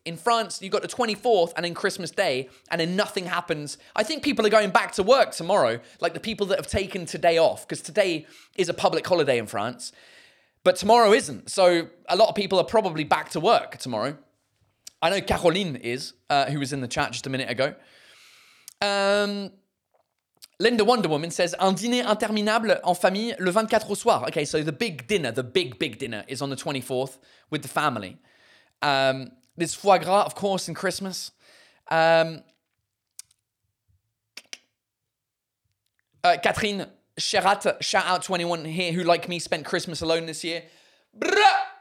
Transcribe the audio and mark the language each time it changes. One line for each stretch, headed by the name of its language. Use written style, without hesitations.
English: In France, you've got the 24th, and then Christmas Day, and then nothing happens. I think people are going back to work tomorrow, like the people that have taken today off, because today is a public holiday in France, but tomorrow isn't. So a lot of people are probably back to work tomorrow. I know Caroline is, who was in the chat just a minute ago.
French: Linda Wonder Woman
English: says,
French: un dîner interminable en famille le 24 au soir.
English: Okay, so the big dinner, the big, big dinner is on the 24th with the family. There's foie gras, of course, in Christmas. Catherine Sherat, shout out to anyone here who, like me, spent Christmas alone this year. Bruh!